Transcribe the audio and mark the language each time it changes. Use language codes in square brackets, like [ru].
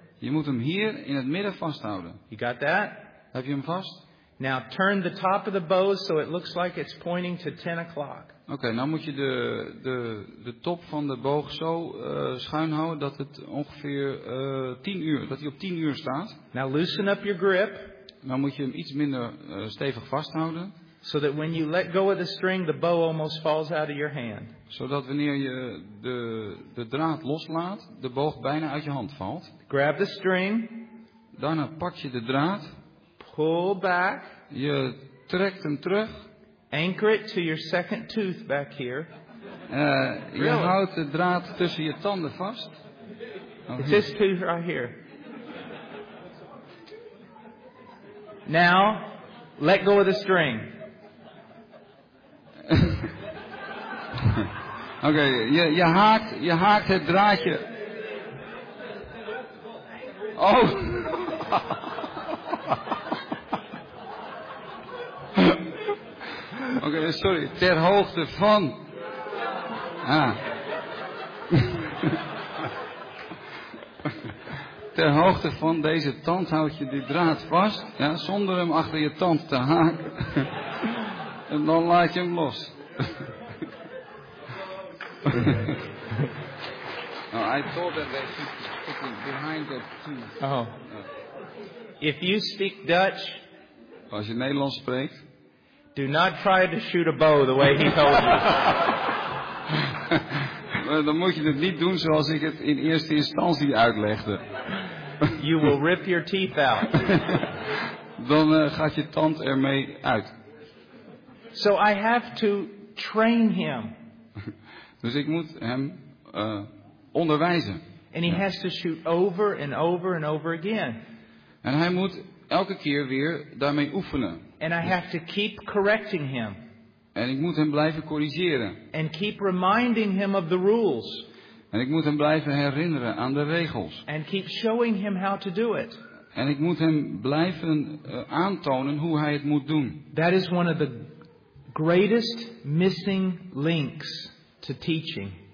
[nl] Je moet hem hier in het midden vasthouden. [en] You got that? [nl] Heb je hem vast? [en] Now turn the top of the bow so it looks like it's pointing to 10 o'clock. [nl] Oké, nou moet je de top van de boog zo schuin houden dat het ongeveer 10 uur, dat hij op 10 uur staat. [en] Now loosen up your grip. [nl] Nou moet je hem iets minder stevig vasthouden. [en] So that when you let go of the string, the bow almost falls out of your hand. [nl] Zodat wanneer je de draad loslaat, de boog bijna uit je hand valt. [en] Grab the string. [nl] Daarna pak je de draad. [en] Pull back. [nl] Je trekt hem terug. [en] Anchor it to your second tooth back here. Je really? [nl] Houdt de draad tussen je tanden vast. [en] Oh, it's this tooth right here. Now, let go of the string. [nl] Oké, okay, je haakt het draadje. Oh. Oké, okay, sorry, ter hoogte van. Ah. Ter hoogte van deze tand houd je die draad vast, ja, zonder hem achter je tand te haken. En dan laat je hem los. [en] Oh, I thought that they should be behind that tooth. Oh. If you speak Dutch, [nl] als je Nederlands spreekt, [en] do not try to shoot a bow the way he told you. [nl] Dan moet je het niet doen zoals ik het in eerste instantie uitlegde. [en] You will rip your teeth out. [nl] Dan gaat je tand ermee uit. [en] So I have to train him. [nl] Dus ik moet hem onderwijzen. [en] And he has to shoot over and over and over again. [nl] En hij moet elke keer weer daarmee oefenen. [en] And I have to keep correcting him. [nl] En ik moet hem blijven corrigeren. [en] And keep reminding him of the rules. [nl] En ik moet hem blijven herinneren aan de regels. [en] And keep showing him how to do it. [nl] En ik moet hem blijven aantonen hoe hij het moet doen. [en] That is one of the greatest missing links to teaching.